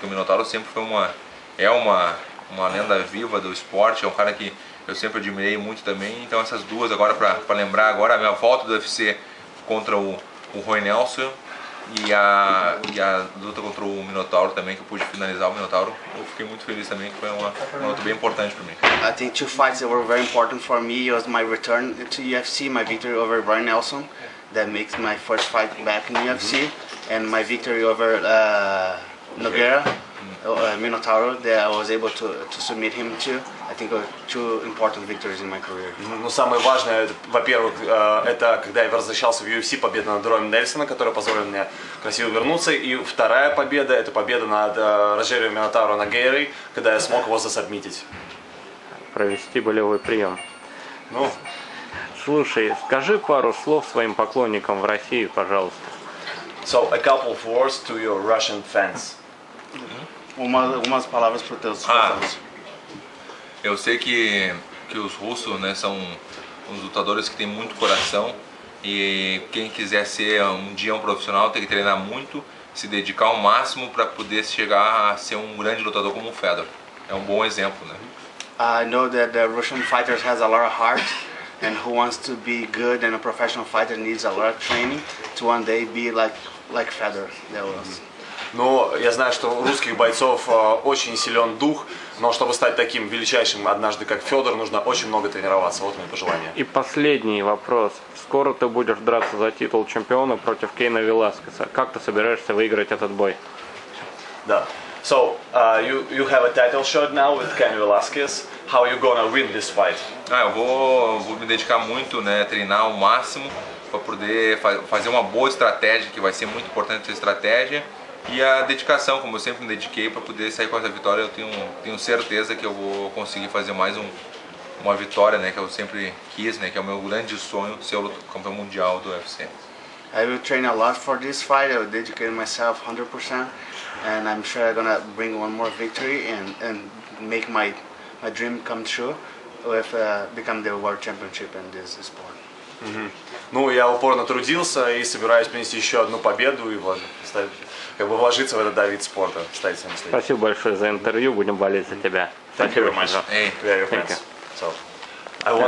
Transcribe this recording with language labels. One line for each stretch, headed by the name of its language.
Portuguese: Porque o Minotauro sempre foi uma lenda viva do esporte. É um cara que eu sempre admirei muito também. Então essas duas agora pra lembrar agora, a minha volta do UFC contra o Roy Nelson e a luta contra o Minotauro também, que eu pude finalizar o Minotauro. Eu fiquei muito feliz também, que foi uma luta bem importante para mim.
English: I think two fights that were very important for me was my return to UFC, my victory over Brian Nelson, that makes my first fight back in UFC, and my victory over Nogueira, Minotauro, that I was able to submit him to. I think two important victories in my career.
Russian: Ну, самое важное, во-первых, это когда я возвращался в UFC, победа над Роем Нельсоном, которая позволила мне красиво вернуться. И вторая победа, это победа над Роджерио Минотауро Ногейрой, когда я смог его засубмитить. Провести болевой прием. Ну? Слушай, скажи пару слов своим поклонникам в России, пожалуйста.
English: So, a couple of words to your Russian fans.
Portuguese: Umas palavras para teus fãs. Eu sei que os russos, né, são uns lutadores que têm muito coração e quem quiser ser um dia um profissional tem que treinar muito, se dedicar ao máximo para poder chegar a ser um grande lutador como o Fedor. É um bom exemplo, né?
English: I know that the Russian fighters has a lot of heart and who wants to be good and a professional fighter needs a lot of training to one day be like Fedor. That was.
Russian: Но я знаю, что у русских бойцов очень силен дух, но чтобы стать таким величайшим однажды, как Федор, нужно очень много тренироваться. Вот мое пожелание. И последний вопрос. Скоро ты будешь драться за титул чемпиона против Кейна Веласкеса. Как ты собираешься выиграть этот бой? Да.
English: So, you have a title shot now with Kane Velasquez. How are you gonna win this fight?
Portuguese: Ah, eu vou me dedicar muito, né, treinar ao máximo para poder fazer uma boa estratégia, que vai ser muito importante essa estratégia. E a dedicação, como eu sempre me dediquei para poder sair com essa vitória, eu tenho certeza que eu vou conseguir fazer mais uma vitória, né, que eu sempre quis, né, que é o meu grande sonho, ser o campeão mundial do UFC.
English: I will train a lot for this fight. I will dedicate myself 100%, and I'm sure I'm gonna bring one more victory and make my dream come true with become the world championship in this sport.
Russian: Ну, я упорно трудился и собираюсь принести еще одну победу и как бы вложиться в этот вид спорта. Спасибо большое за интервью, будем болеть за тебя. Спасибо большое.
English: Thank you very much.